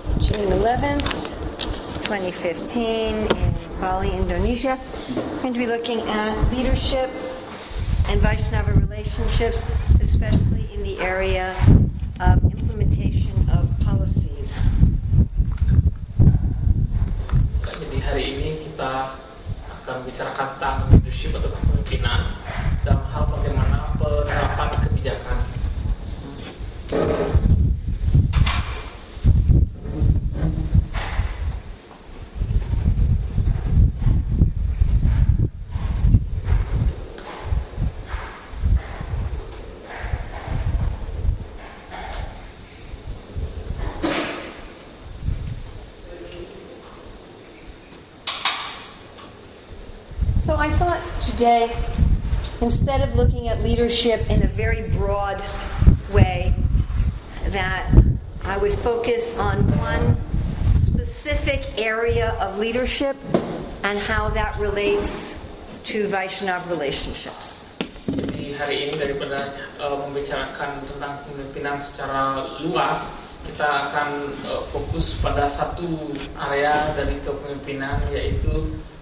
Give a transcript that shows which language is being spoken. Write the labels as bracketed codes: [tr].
[en] June 11th, 2015, in Bali, Indonesia. I'm going to be looking at leadership and Vaishnava relationships, especially in the area of implementation of policies. [id] Jadi hari ini kita akan bicarakan tentang leadership atau kepemimpinan dalam hal bagaimana penerapan kebijakan. [en] Today, instead of looking at leadership in a very broad way, that I would focus on one specific area of leadership and how that relates to Vaishnava relationships. [id] Hari ini daripada membicarakan tentang kepemimpinan secara luas, kita akan fokus pada satu area dari kepemimpinan, yaitu